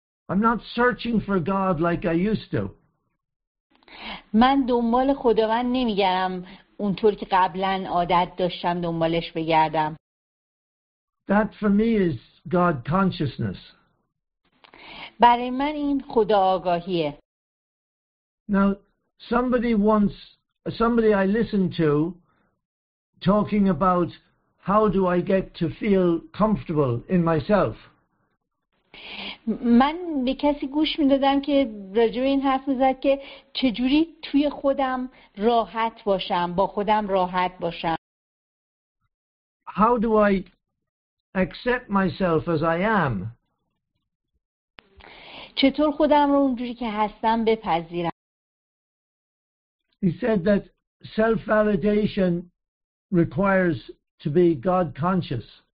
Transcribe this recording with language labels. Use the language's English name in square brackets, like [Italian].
[English] I'm not searching for God like I used to. [Persian] من دنبال خداوند نمیگردم اونطور که قبلا عادت داشتم دنبالش بگردم. [English] That for me is God consciousness. [Persian] برای من این خدا آگاهیه. [English] Now somebody I listened to talking about How do I get to feel comfortable in myself? [Persian] من به کسی گوش میدادم که راجع به این حرف میزد که چجوری توی خودم راحت باشم، با خودم راحت باشم. [English] How do I accept myself as I am? [Persian] چطور خودم رو اونجوری که هستم بپذیرم؟ [English] He said that self-validation requires to be God-conscious.